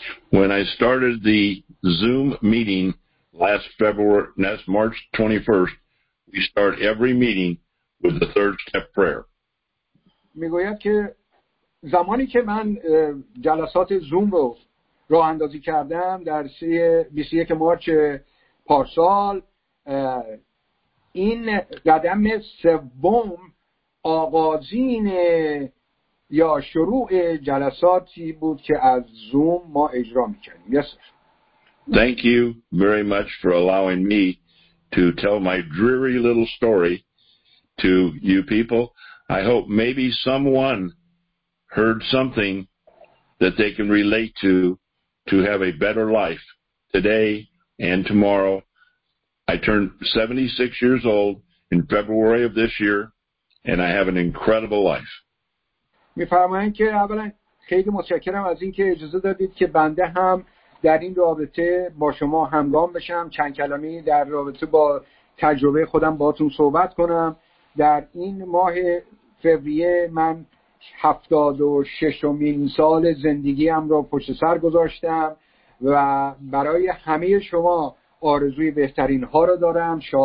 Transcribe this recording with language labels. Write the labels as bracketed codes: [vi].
[en] When I started the Zoom meeting last March 21st, we start every meeting with the third step prayer. [fa] میگوید که زمانی که من جلسات زوم رو راه اندازی کردم در 21 مارچ پارسال، این قدم سوم آغازین یا شروع جلساتی بود که از زوم ما اجرا می‌کردیم. [en] Yes. Thank you very much for allowing me to tell my dreary little story to you people. I hope maybe someone heard something that they can relate to have a better life today and tomorrow. I turned 76 years old in February of this year, and I have an incredible life. [fa] می‌فرمایم که اولا خیلی متشکرم از اینکه اجازه دادید که بنده هم در این رابطه با شما همگام بشم، چند کلامی در رابطه با تجربه خودم باهاتون صحبت کنم. در این ماه فوریه من 76 سال زندگیم را پشت سر گذاشتم و برای همه شما آرزوی بهترین ها را دارم.